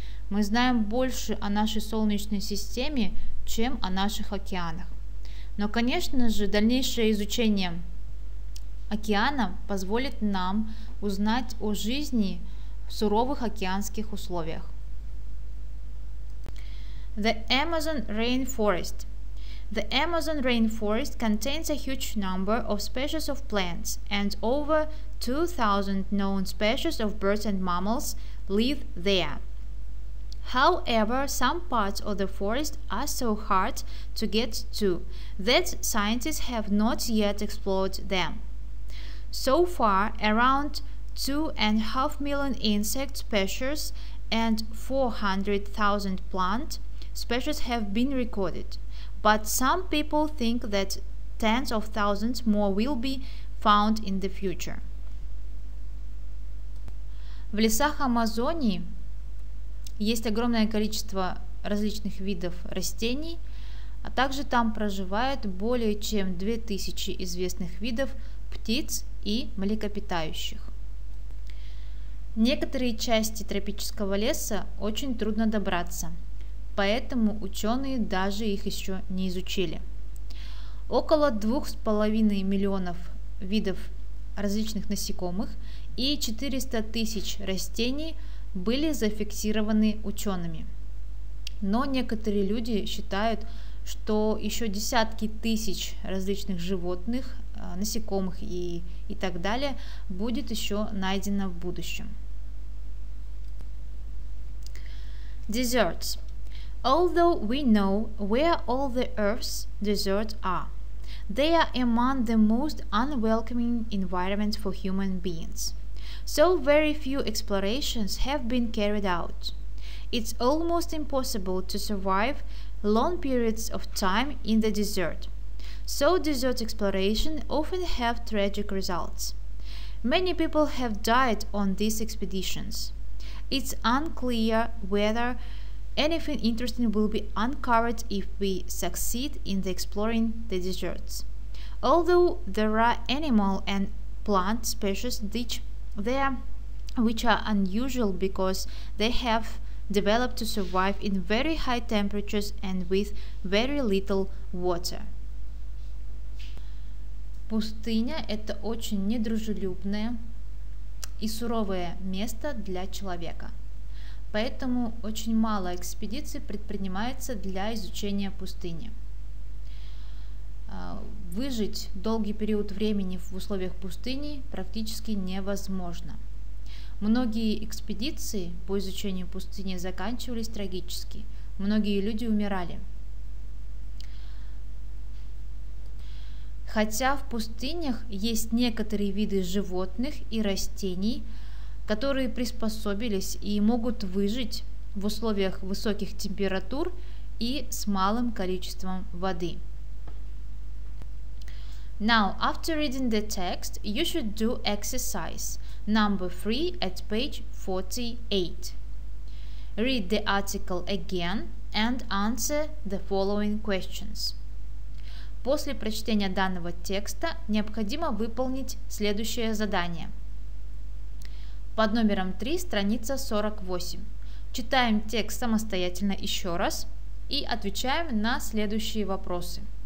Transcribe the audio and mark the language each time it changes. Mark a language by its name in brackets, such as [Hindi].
[Russian] Мы знаем больше о нашей Солнечной системе, чем о наших океанах. Но, конечно же, дальнейшее изучение океана позволит нам узнать о жизни в суровых океанских условиях. [English] The Amazon Rainforest. The Amazon Rainforest contains a huge number of species of plants, and over 2,000 known species of birds and mammals live there. However, some parts of the forest are so hard to get to that scientists have not yet explored them. So far, around 2.5 million insect species and 400,000 plant species have been recorded, but some people think that tens of thousands more will be found in the future. [Russian] В лесах Амазонии есть огромное количество различных видов растений, а также там проживает более чем 2000 известных видов птиц и млекопитающих. Некоторые части тропического леса очень трудно добраться, поэтому ученые даже их еще не изучили. Около 2.5 миллионов видов различных насекомых и 400 тысяч растений были зафиксированы учеными. Но некоторые люди считают, что еще десятки тысяч различных животных, насекомых и так далее, будет еще найдено в будущем. [English] Desserts. Although we know where all the Earth's deserts are, they are among the most unwelcoming environments for human beings. So very few explorations have been carried out. It's almost impossible to survive long periods of time in the desert. So desert exploration often have tragic results. Many people have died on these expeditions. It's unclear whether anything interesting will be uncovered if we succeed in the exploring the deserts. Although there are animal and plant species there which are unusual because they have developed to survive in very high temperatures and with very little water. [Russian] Пустыня – это очень недружелюбное и суровое место для человека. Поэтому очень мало экспедиций предпринимается для изучения пустыни. Выжить долгий период времени в условиях пустыни практически невозможно. Многие экспедиции по изучению пустыни заканчивались трагически. Многие люди умирали. Хотя в пустынях есть некоторые виды животных и растений, которые приспособились и могут выжить в условиях высоких температур и с малым количеством воды. [English] Now, after reading the text, you should do exercise number 3 at page 48. Read the article again and answer the following questions. [Russian] После прочтения данного текста необходимо выполнить следующее задание. Под номером 3, страница 48. Читаем текст самостоятельно еще раз и отвечаем на следующие вопросы.